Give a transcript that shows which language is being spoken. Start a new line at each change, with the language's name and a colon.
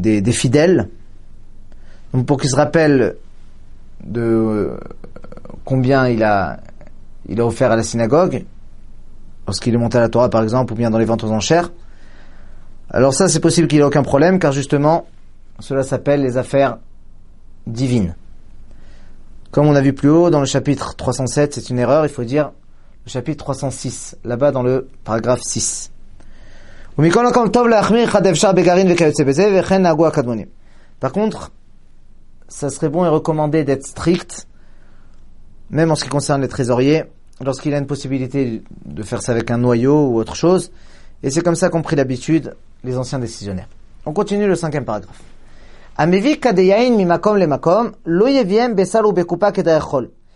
French: fidèles, donc pour qu'ils se rappellent de combien il a offert à la synagogue lorsqu'il est monté à la Torah par exemple, ou bien dans les ventes aux enchères. Alors ça, c'est possible qu'il n'y ait aucun problème, car justement cela s'appelle les affaires divines, comme on a vu plus haut dans le chapitre 307. C'est une erreur, il faut dire chapitre 306, là-bas dans le paragraphe 6.
Hebrew: ומכל מקום טוב להחמיר אחד אפשר בגרעין וכיוצא בזה וכן נהגו הקדמונים.
French: Par contre, ça serait bon et recommandé d'être strict, même en ce qui concerne les trésoriers, lorsqu'il y a une possibilité de faire ça avec un noyau ou autre chose. Et c'est comme ça qu'ont pris l'habitude les anciens décisionnaires. On continue le cinquième paragraphe.
Hebrew: המביא כדי יין ממקום למקום לא יביאם בסל ובקופה כדרך חול.